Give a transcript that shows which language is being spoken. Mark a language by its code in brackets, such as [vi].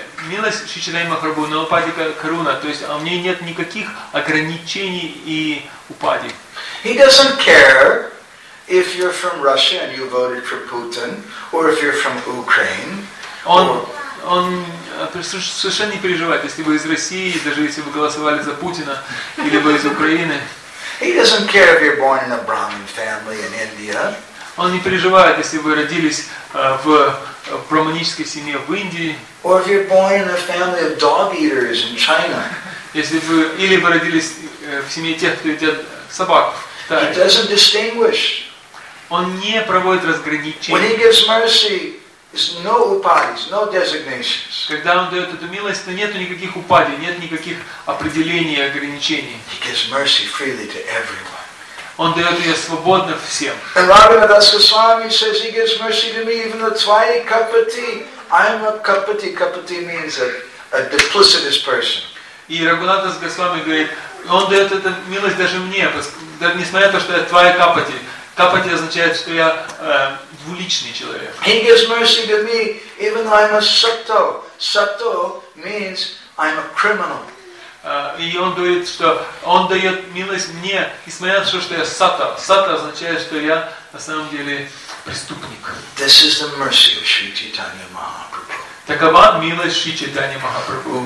[ru] Милость Шри Чайтанья Махапрабху Нирупадика Каруна, то есть у меня нет никаких ограничений и упади. [en] He doesn't care if you're you're from Russia and you voted for Putin, or if you're from Ukraine, [ru] он совершенно не переживает, если вы из России, даже если вы голосовали за Путина, или вы из Украины. [en] He doesn't care if you're born in a Brahmin family in India. [ru] Он не переживает, если вы родились в брахманической семье в Индии. [en] Or if you're born in a family of dog eaters in China. [ru] Если вы или вы родились в семье тех, кто едят собак. [en] He doesn't distinguish. [ru] Он не проводит разграничения. [en] When he gives mercy, there's no upadis, no designations. [ru] Когда он дает эту милость, то нету никаких упади, нет никаких определений и ограничений. [en] He gives mercy freely to everyone. [ru] Он дает ее свободно всем. [en] And Raghunathas Goswami says he gives mercy to me even though twice cup of tea. I'm a cup of tea. Cup of tea means a duplicitous person. [ru] И Рагхунатас Госвами говорит, он дает эту милость даже мне, даже несмотря на то, что я твоя капати. Капати означает, что я двуличный человек. [en] He gives mercy to me even though I'm a sato. Sato means I'm a criminal. [ru] И он говорит, что он дает милость мне, несмотря на то, что я сата. Сата означает, что я на самом деле преступник. [en] This is the mercy of Sri Chaitanya Mahaprabhu. [ru] Такова милость Шри Чайтанья Махапрабху.